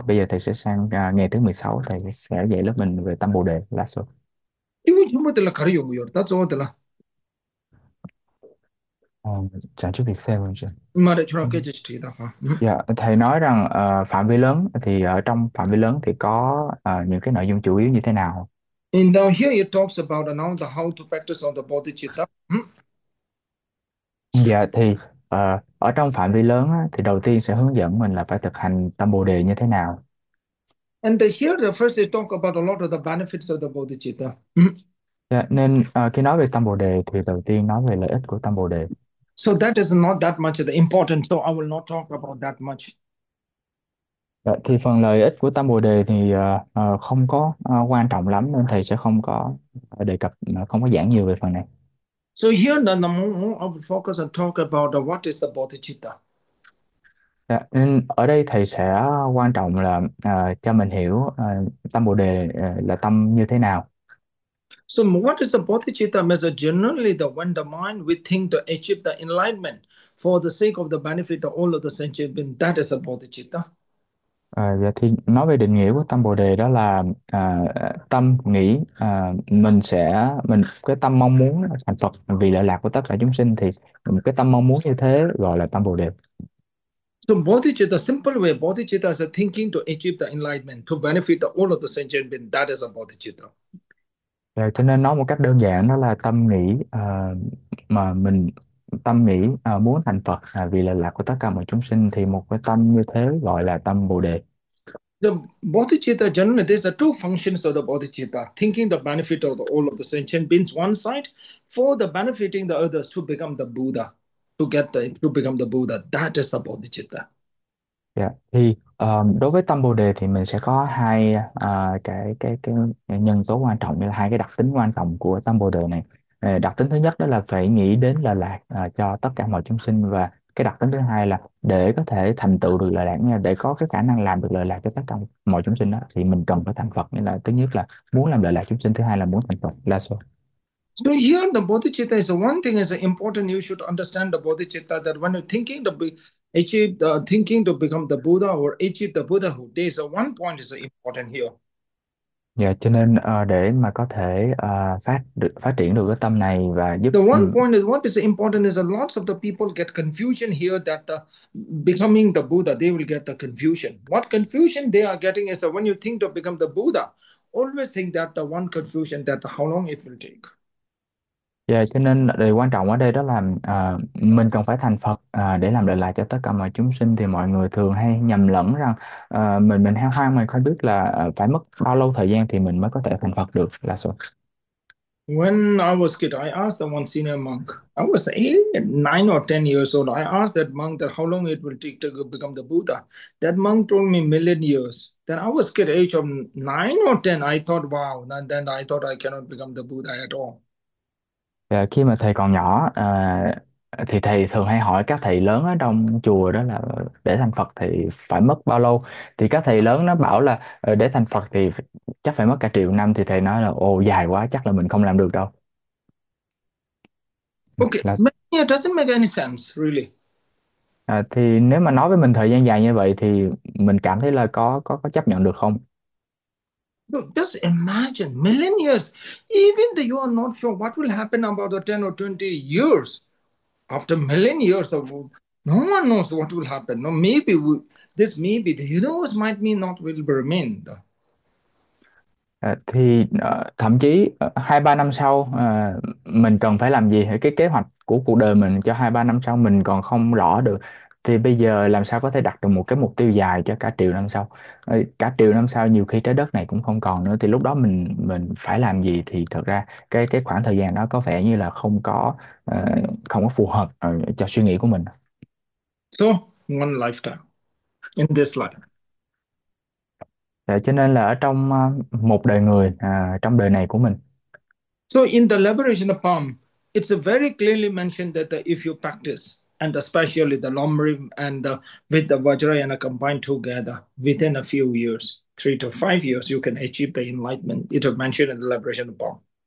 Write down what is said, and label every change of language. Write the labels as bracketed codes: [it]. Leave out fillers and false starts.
[vi] Bây giờ thầy sẽ sang ngày thứ 16, thầy sẽ dạy lớp mình về tâm Bồ Đề là số. chúng mới tên là khởi dụng bây giờ ta cho tên là Chẳng chút bị xem luôn chứ. mà để cho nó kết chứ thì ta hả Dạ, thầy nói rằng phạm vi lớn thì ở trong phạm vi lớn thì có những cái nội dung chủ yếu như thế nào? [en] in down here it talks about now the how to practice on the bodhicitta [vi] Dạ, thì ở trong phạm vi lớn thì đầu tiên sẽ hướng dẫn mình là phải thực hành tâm Bồ Đề như thế nào? [en] And here, the first they talk about a lot of the benefits of the bodhicitta. [vi] Nên khi nói về tâm bồ đề thì đầu tiên nói về lợi ích của tâm bồ đề. [en] So that is not that much the important, so I will not talk about that much. [vi] Dạ, thì phần lợi ích của tâm bồ đề thì không có quan trọng lắm nên thầy sẽ không có đề cập, không có giảng nhiều về phần này. [en] So here the more I will focus and talk about what is the bodhicitta. [vi] Dạ, nên ở đây thầy sẽ quan trọng là cho mình hiểu tâm bồ đề là tâm như thế nào. [en] So what is the bodhicitta means generally the when the mind we think to achieve the enlightenment for the sake of the benefit of all of the sentient beings, that is a bodhicitta. [vi] Dạ thì nói về định nghĩa của tâm bồ đề đó là tâm nghĩ mình cái tâm mong muốn thành Phật vì lợi lạc của tất cả chúng sinh, thì một cái tâm mong muốn như thế gọi là tâm bồ đề. [en] So bodhicitta, simple way, bodhicitta is a thinking to achieve the enlightenment, to benefit the all of the sentient beings, that is a bodhicitta. [vi] Dạ, cho nên nói một cách đơn giản đó là tâm nghĩ mà mình tâm nghĩ muốn thành Phật vì lợi lạc của tất cả mọi chúng sinh, thì một cái tâm như thế gọi là tâm Bồ Đề. [en] The bodhicitta generally there's a two functions of the bodhicitta, thinking the benefit of the all of the sentient beings one side, for the benefiting the others to become the Buddha, to become the Buddha. That is the bodhicitta. [vi] Dạ, thì đối với tâm Bồ Đề thì mình sẽ có hai cái nhân tố quan trọng, như là hai cái đặc tính quan trọng của tâm Bồ Đề này. Đặc tính thứ nhất đó là phải nghĩ đến lợi lạc cho tất cả mọi chúng sinh, và cái đặc tính thứ hai là để có thể thành tựu được lợi lạc, nha, để có cái khả năng làm được lợi lạc cho tất cả mọi chúng sinh đó, thì mình cần phải thành Phật. Nghĩa là thứ nhất là muốn làm lợi lạc chúng sinh, thứ hai là muốn thành Phật. Là số. [en] So here the bodhicitta is one thing is important you should understand the bodhicitta that when you're thinking to be achieve the thinking to become the Buddha or achieve the Buddhahood, there is one point is important here. [vi] Yeah, cho nên để mà có thể phát triển được cái tâm này và giúp [en] The one point is what is important is lots of the people get confusion here that becoming the Buddha, they will get the confusion. What confusion they are getting is when you think to become the Buddha, always think that the one confusion that how long it will take. [vi] Yeah, cho nên điều quan trọng ở đây đó là mình cần phải thành Phật để làm lợi lạc cho tất cả mọi chúng sinh. Thì mọi người thường hay nhầm lẫn rằng mình hao hoang, mình không biết là phải mất bao lâu thời gian thì mình mới có thể thành Phật được. Là số. [en] When I was kid, I asked the one senior monk. I was 8, 9, or 10 years old. I asked that monk that how long it will take to become the Buddha. That monk told me 1,000,000 years. Then I was kid, age of 9 or 10. I thought, wow. And then I thought I cannot become the Buddha at all. [vi] Khi mà thầy còn nhỏ thì thầy thường hay hỏi các thầy lớn ở trong chùa đó là để thành Phật thì phải mất bao lâu, thì các thầy lớn nó bảo là để thành Phật thì chắc phải mất cả triệu năm, thì thầy nói là ồ dài quá, chắc là mình không làm được đâu. [en] Okay, Là but yeah, it doesn't make any sense, really. [vi] thì nếu mà nói với mình thời gian dài như vậy thì mình cảm thấy là có chấp nhận được không? [en] Look, just imagine 1,000,000 years. Even though you are not sure what will happen about the 10 or 20 years, after 1,000,000 years, no one knows what will happen. No, maybe we, this may be the universe might mean not will remain. The, [vi] Thì thậm chí 2-3 năm sau mình cần phải làm gì, cái kế hoạch của cuộc đời mình cho 2-3 năm sau mình còn không rõ được, thì bây giờ làm sao có thể đặt được một cái mục tiêu dài cho cả triệu năm sau? Cả triệu năm sau nhiều khi trái đất này cũng không còn nữa, thì lúc đó mình phải làm gì? Thì thật ra cái khoảng thời gian đó có vẻ như là không có phù hợp cho suy nghĩ của mình. [en] so one lifetime in this life. [vi] Cho nên là ở trong một đời người, trong đời này của mình. [en] So in the liberation of palm, it's a very clearly mentioned that if you practice, and especially the lomri and with the vajrayana combined together, within a few years, 3 to 5 years, you can achieve the enlightenment. It was mentioned in the liberation of palm.